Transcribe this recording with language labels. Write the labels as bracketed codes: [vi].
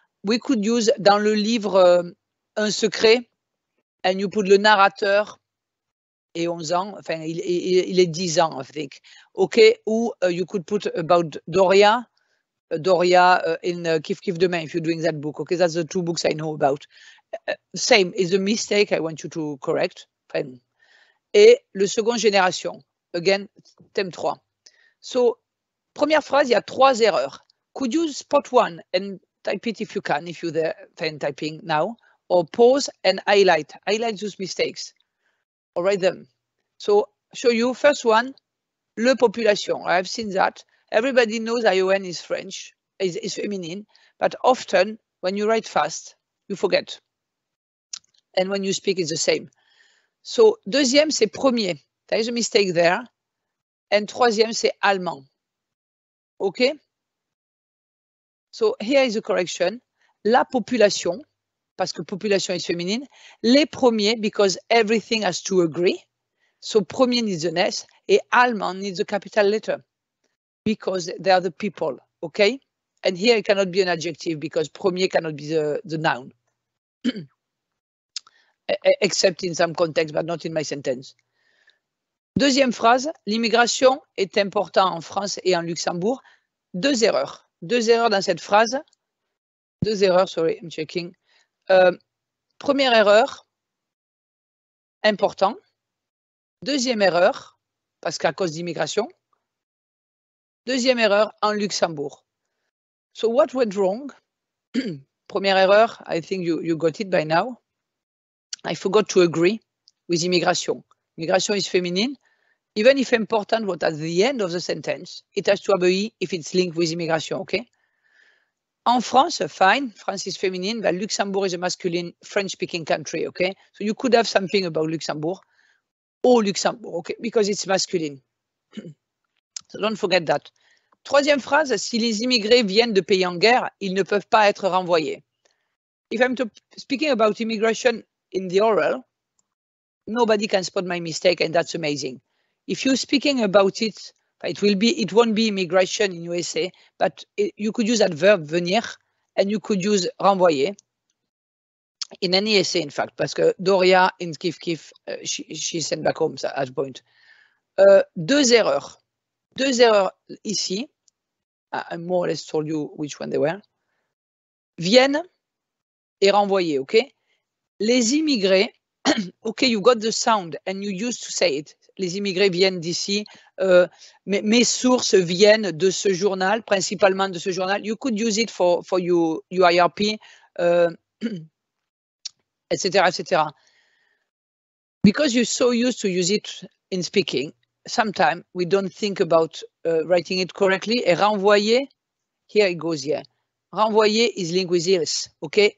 [en] We could use [fr] dans le livre un secret, [en] and you put [fr] le narrateur et 11 ans, enfin, il est 10 ans, [en] I think. Okay, ou you could put about Doria, Doria in Kif Kif Demain, if you're doing that book. Okay, that's the two books I know about. Same, it's a mistake I want you to correct. [fr] Enfin, et le second génération. [en] Again, [fr] thème 3. So, première phrase, il y a trois erreurs. [en] Could you spot one and type it if you can, if you're there typing now, or pause and highlight. Highlight those mistakes. Or write them. So, show you, first one, [fr] le population. [en] I've seen that. Everybody knows ION is French, is feminine, but often, when you write fast, you forget. And when you speak, it's the same. So, [fr] deuxième, c'est premier. [en] There is a mistake there. And [fr] troisième, c'est allemand. [en] Okay? So here is a correction. [fr] La population, parce que population [en] is feminine. [fr] Les premiers, [en] because everything has to agree. So premier needs an S. Et allemand needs a capital letter. Because they are the people. Okay? And here it cannot be an adjective because premier cannot be the noun. Except in some context, but not in my sentence. [fr] Deuxième phrase, l'immigration est importante en France et en Luxembourg. Deux erreurs dans cette phrase. Deux erreurs, [en] sorry, I'm checking. [fr] Première erreur, important. Deuxième erreur, parce qu'à cause d'immigration. Deuxième erreur, en Luxembourg. [en] So what went wrong? Première erreur, I think you got it by now. I forgot to agree with immigration. Immigration is feminine. Even if important, what at the end of the sentence, it has to have a E if it's linked with immigration, okay? En France, fine, France is feminine, but Luxembourg is a masculine French-speaking country, okay? So you could have something about Luxembourg or Luxembourg, okay? Because it's masculine. So don't forget that. [fr] Troisième phrase, si les immigrés viennent de pays en guerre, ils ne peuvent pas être renvoyés. [en] If I'm speaking about immigration in the oral, nobody can spot my mistake and that's amazing. If you're speaking about it, it won't be immigration in USA, but you could use that verb venir and you could use renvoyer in any essay, in fact, because Doria in Kif Kif, she sent back home at a point. [fr] Deux erreurs ici. [en] I more or less told you which one they were. [fr] Vienne et renvoyer, [en] okay? [fr] Les immigrés, [en] okay, you got the sound and you used to say it. [fr] Les immigrés viennent d'ici, mes sources viennent de ce journal, principalement de ce journal. [en] You could use it for your IRP, etc., etc. Because you're so used to use it in speaking, sometimes we don't think about writing it correctly. [fr] Et renvoyer, [en] here it goes, yeah. Renvoyer is linked with ills, okay?